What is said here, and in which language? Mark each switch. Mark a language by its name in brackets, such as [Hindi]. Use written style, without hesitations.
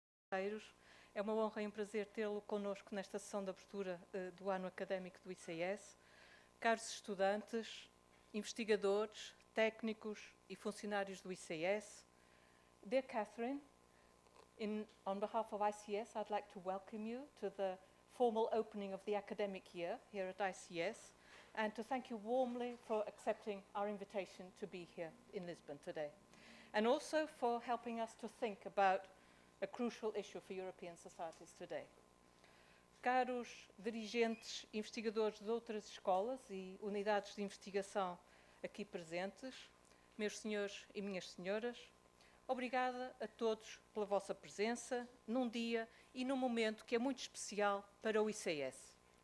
[Portuguese] Conselheiros, é uma honra e um prazer tê-lo connosco nesta sessão de abertura do ano académico do ICS. Caros estudantes, investigadores, técnicos e funcionários do ICS, [English] dear Catherine, on behalf of ICS, I'd like to welcome you to the formal opening of the academic year here at ICS and to thank you warmly for accepting our invitation to be here in Lisbon today, and also for helping us to think about a crucial issue for European societies today. [Portuguese] Caros dirigentes investigadores de outras escolas e unidades de investigação aqui presentes, meus senhores e minhas senhoras, obrigada a todos pela vossa presença num dia e num momento que é muito especial para o ICS.